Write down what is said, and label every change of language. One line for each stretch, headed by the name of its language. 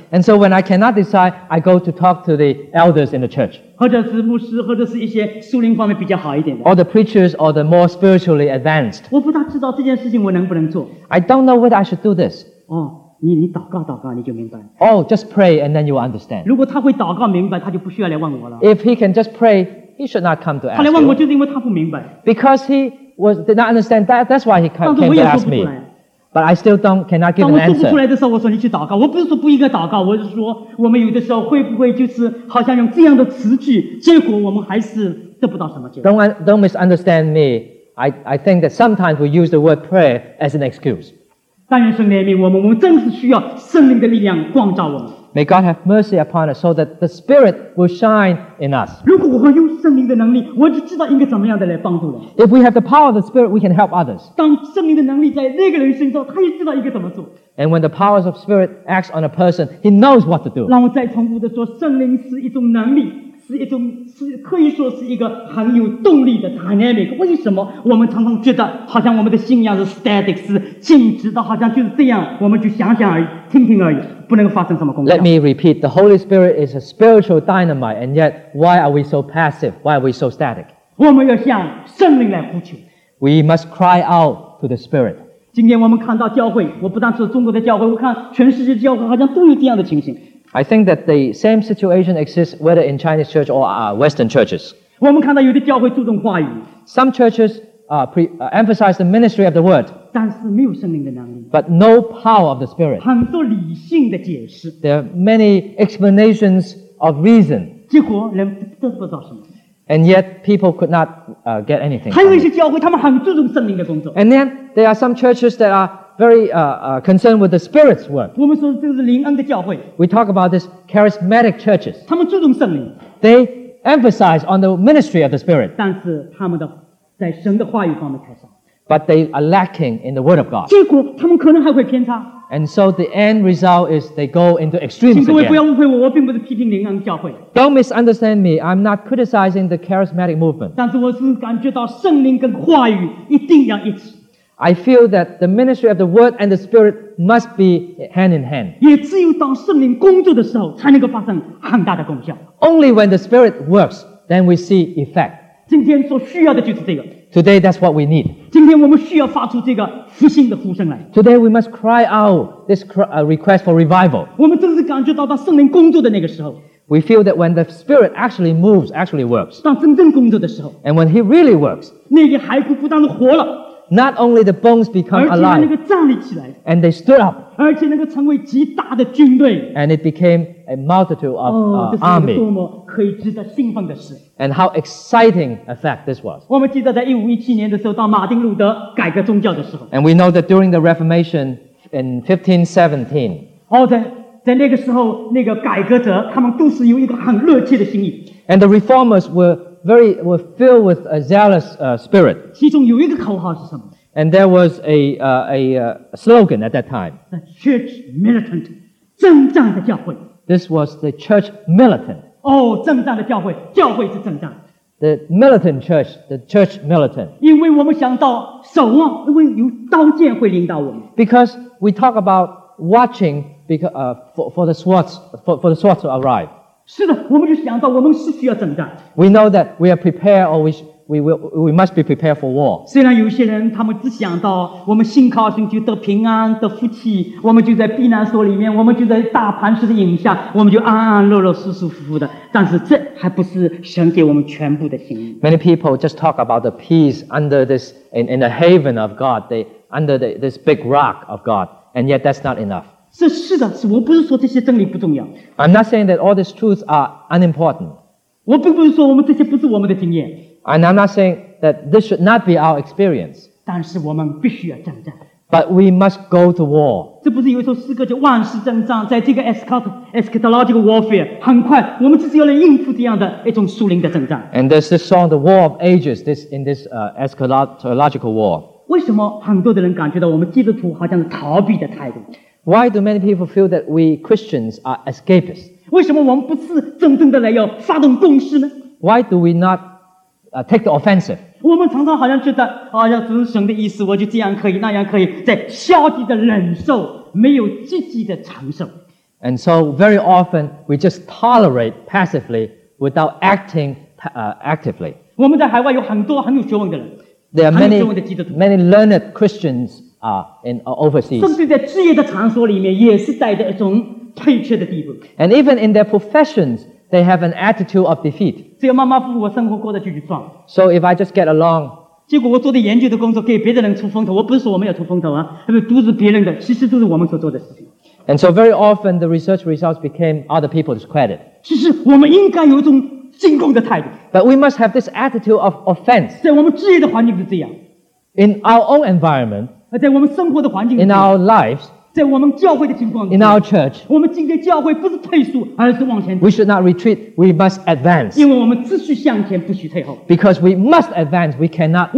English: And so when I cannot decide, I go to talk to the elders in the church.
Chinese: 或者是牧师，或者是一些属灵方面比较好一点的。
English: Or the preachers or the more spiritually advanced.
Chinese: 我不大知道这件事情我能不能做。
English: I don't know whether I should do this.
Chinese: 哦。你祷告祷告你就明白。
English: Oh, just pray and then you will understand.
Chinese: 如果他会祷告明白，他就不需要来问我了。
English: If he can just pray, he should not come to ask.
Chinese: 他来问我就是因为他不明白。
English: Because he was did not understand that. That's why he came to ask me.
Chinese: 但是我也说不出来。
English: But I still don't cannot give an answer.
Chinese: 当我说不出来的时候，我说你去祷告。我不是说不应该祷告，我是说我们有的时候会不会就是好像用这样的词句，结果我们还是得不到什么结果。
English: Don't misunderstand me. I think that sometimes we use the word prayer as an excuse.
Chinese: 但愿圣灵怜悯我们真是需要圣灵的力量光照我们。
English: May God have mercy upon us so that the Spirit will shine in us.
Chinese: 如果我有圣灵的能力，我就知道应该怎么样的来帮助人。
English: If we have the power of the Spirit, we can help others.
Chinese: 当圣灵的能力在那个人身上，他也知道应该怎么做。
English: And when the powers of Spirit acts on a person, he knows what to do.
Chinese: 让我再重复的说，圣灵是一种能力。是可以说是一个很有动力的 dynamic。为什么我们常常觉得好像我们的信仰是 static， 是静止的，好像就是这样，我们就想想而已，听听而已，不能发生什么功效。
English: Let me repeat, the Holy Spirit is a spiritual dynamite, and yet why are we so passive? Why are we so static?
Chinese: 我们要向圣灵来呼求。
English: We must cry out to the Spirit.
Chinese: 今天我们看到教会，我不单是中国的教会，我看全世界教会好像都有这样的情形。
English: I think that the same situation exists whether in Chinese church or Western churches.
Chinese: 我们看到有的教会注重话语。
English: Some churches emphasize the ministry of the word.
Chinese: 但是没有圣灵的能力。
English: But no power of the Spirit.
Chinese: 很多理性的解释。
English: There are many explanations of reason.
Chinese: 结果人得不到什么。
English: And yet people could not get anything.
Chinese: 还有一些教会，他们很注重圣灵的工作。
English: And then there are some churches that are very concerned with the Spirit's work.
Chinese: 我们说这是灵恩的教会。
English: We talk about this charismatic churches.
Chinese: 他们注重圣灵。
English: They emphasize on the ministry of the Spirit.
Chinese: 但是他们的在神的话语方面太少。
English: But they are lacking in the word of God.
Chinese: 结果他们可能还会偏差。
English: And so the end result is they go into extremes again.
Chinese: 请各位不要误会我，我并不是批评灵恩教会。
English: Don't misunderstand me. I'm not criticizing the charismatic movement.
Chinese: 但是我是感觉到圣灵跟话语一定要一起。
English: I feel that the ministry of the Word and the Spirit must be hand in hand.
Chinese: 也只有当圣灵工作的时候，才能够发生很大的功效。
English: Only when the Spirit works, then we see effect.
Chinese: 今天所需要的就是这个。
English: Today, that's what we need.
Chinese: 今天我们需要发出这个复兴的呼声来。
English: Today, we must cry out this request for revival.
Chinese: 我们真是感觉到把圣灵工作的那个时候。
English: We feel that when the Spirit actually moves, actually works.
Chinese: 当真正工作的时候。
English: And when He really works,
Chinese: 那个骸骨不但活了。
English: Not only the bones become alive,
Chinese: 而且那个站立起来。
English: And they stood up.
Chinese: 而且那个成为极大的军队。
English: And it became a multitude of army.
Chinese: 这是一个多么可以值得兴奋的事。
English: And how exciting a fact this was.
Chinese: 我们记得在1517年的时候，到马丁路德改革宗教的时候。
English: And we know that during the Reformation in 1517.
Chinese: 在那个时候，那个改革者他们都是有一个很热切的心意。
English: And the reformers were filled with a zealous spirit.
Chinese: 其中有一个口号是什么？
English: And there was a slogan at that time. The church militant,
Chinese: 征战的教会。
English: This was the church militant.
Chinese: 征战的教会，教会是征战。
English: The militant church, the church militant.
Chinese: 因为我们想到守望，因为有刀剑会领导我们。
English: Because we talk about watching for the swords to arrive.
Chinese: 是的，我们就想到我们是需要征战。
English: We know that we are prepared, or we must be prepared for war.
Chinese: 虽然有些人他们只想到我们信靠神就得平安得福气，我们就在避难所里面，我们就在大磐石的荫下，我们就安安乐乐舒舒服服的，但是这还不是神给我们全部的心意。
English: Many people just talk about the peace under this in the haven of God, they under the, this big rock of God, and yet that's not enough.
Chinese: 是的，我不是说这些真理不重要。
English: I'm not saying that all these truths are unimportant.
Chinese: 我并不是说我们这些不是我们的经验。
English: And I'm not saying that this should not be our experience.
Chinese: 但是我们必须要征战。
English: But we must go to war.
Chinese: 这不是有一首诗歌叫万事征战，在这个
English: eschatological warfare,
Chinese: 很快我们只是要来应付这样的一种属灵的征战。
English: And there's this song, The War of Ages, in this eschatological war.
Chinese: 为什么很多的人感觉到我们基督徒好像是逃避的态度？
English: Why do many people feel that we Christians are escapists?
Chinese: 为什么我们不是真正的来要发动攻势呢？
English: Why do we notTake the offensive.
Chinese: 我们常常好像觉得，要遵守的意思，我就这样可以，那样可以，在消极的忍受，没有积极的承受。
English: And so very often we just tolerate passively without acting actively.
Chinese: 我们在海外有很多很有学问的人。
English: There are many,
Chinese: 很有学问的基督徒。
English: Many learned Christians are in overseas.
Chinese: 甚至在职业的场所里面，也是带着一种退却的地步。
English: And even in their professions. They have an attitude of defeat.
Chinese: 只要马马虎虎，生活过得就算。
English: So if I just get along,
Chinese: 结果我做的研究的工作给别的人出风头，我不是说我们要出风头啊，都是别人的，其实都是我们所做的事情。
English: And so very often the research results became other people's credit.
Chinese: 其实我们应该有一种进攻的态度。
English: But we must have this attitude of offense.
Chinese: 在我们职业的环境是这样。
English: In our own environment,
Chinese: 在我们生活的环境。
English: In our lives.
Chinese: 在我们教会的情况
English: ，In our church,
Chinese: 我们今天教会不是退缩，而是往前走。
English: We should not retreat, we must advance.
Chinese: 因为我们只需向前，不许退后。
English: Because we must advance, we cannot retreat.